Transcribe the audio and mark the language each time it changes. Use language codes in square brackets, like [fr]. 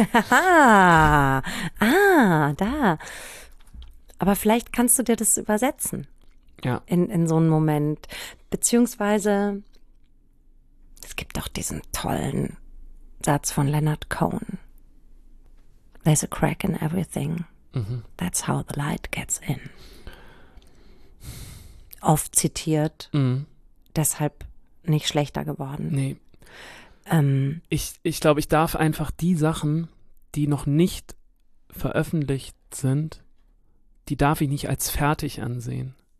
[de] Da. Aber vielleicht kannst du dir das übersetzen. Ja. In so einen Moment. Beziehungsweise, es gibt doch diesen tollen Satz von Leonard Cohen. [en] There's a crack in everything. That's how the light gets in. [de] Oft zitiert, deshalb nicht schlechter geworden. Nee. Ich glaube, ich darf einfach die Sachen, die noch nicht veröffentlicht sind, die darf ich nicht als fertig ansehen.